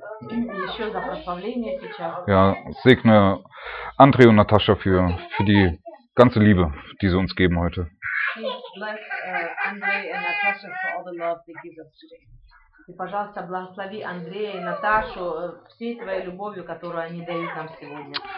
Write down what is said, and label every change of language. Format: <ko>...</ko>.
<ru>Еще за прославление сейчас.</ru> <de>Ja, segne Andrei und Natascha für die ganze Liebe, die sie uns geben heute.</de> <en>Bless Andrei and Natascha for all the love they give us today.</en> <ru>И, пожалуйста, благослови Андрея и Наташу всей твоей любовью, которую они дают нам сегодня.</ru>